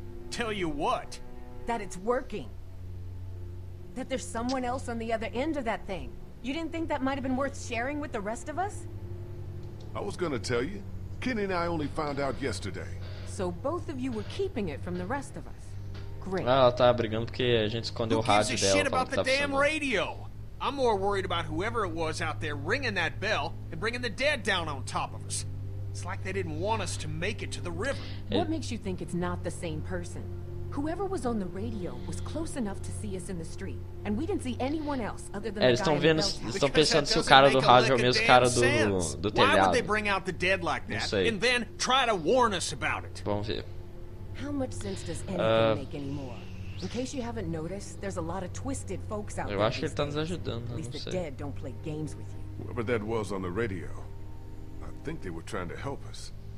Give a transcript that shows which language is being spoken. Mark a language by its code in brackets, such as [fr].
[en] Tell you what? That it's working. That there's someone else on the other end of that thing. You didn't think that might have been worth sharing with the rest of us? I was gonna tell you. Kenny and I only found out yesterday. So both of you were keeping it from the rest of us. Great. [pt] Ah, ela tava brigando porque a gente escondeu o rádio dela. [en] Who gives a shit about the damn radio? I'm more worried about whoever it was out there ringing that bell and bringing the dead down on top of us. It's like they didn't want us to make it to the river. What makes you think it's not the same person? Whoever was on the radio was close enough to see us in the street, and we didn't see anyone else other than the guy. [pt] Estão pensando se o cara do rádio é o mesmo cara do telhado. [en] Why would they bring out the dead like that and then try to warn us about it? [pt] Vamos ver. [en] How much sense does anything make anymore? In case you haven't noticed, there's a lot of twisted folks out there. [pt] Eu acho que ele tá nos ajudando. [en] At least the dead don't play games with you. Whoever that was on the radio, I think they were trying to help us.